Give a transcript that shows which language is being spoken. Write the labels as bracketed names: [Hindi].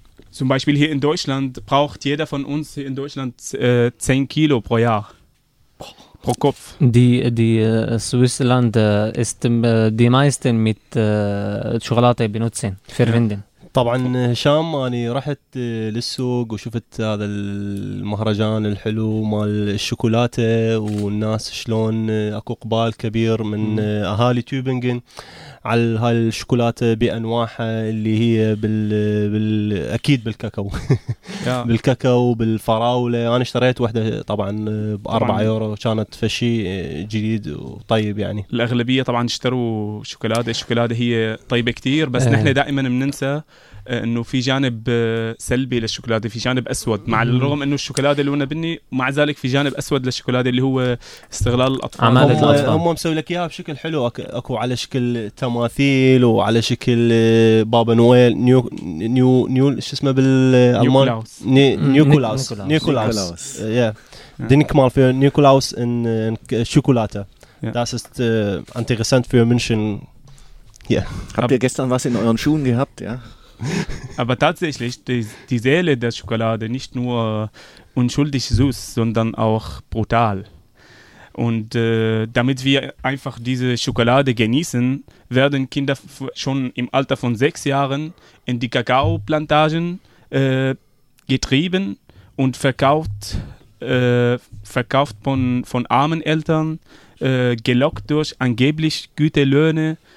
[German] Zum Beispiel hier in Deutschland braucht jeder von uns hier in Deutschland 10 Kilo pro Jahr. Pro Kopf. Die Switzerland ist die meisten mit Schokolade benutzen, verwenden. [Arabic] طبعا هشام انا رحت للسوق وشفت هذا المهرجان الحلو مال الشوكولاته والناس شلون اكو قبال كبير من اهالي تيوبنغن على هاي الشوكولاته بانواعها اللي هي بالاكيد بالكاكاو بالكاكاو بالفراوله انا اشتريت واحدة طبعا ب4 يورو كانت فشي جديد وطيب يعني الاغلبيه طبعا اشتروا الشوكولاته هي طيبه كتير بس نحن دائما بننسى انه في جانب سلبي للشوكولاته في جانب اسود مع الرغم انه الشوكولاته لونها بني ومع ذلك في جانب اسود للشوكولاته اللي هو استغلال الاطفال هم مسوي لك اياها بشكل حلو اكو على شكل تماثيل وعلى شكل بابا نويل نيو نيو نيو شو اسمه بالالمان نيكولاوس دينك مال في نيكولاوس ان شوكولاته داس [German] ist interessant für München habt ihr gestern was in euren Schuhen gehabt ja Aber tatsächlich, die Seele der Schokolade, nicht nur unschuldig süß, sondern auch brutal. Und damit wir einfach diese Schokolade genießen, werden Kinder schon im Alter von 6 Jahren in die Kakaoplantagen getrieben und verkauft von armen Eltern, gelockt durch angeblich gute Löhne.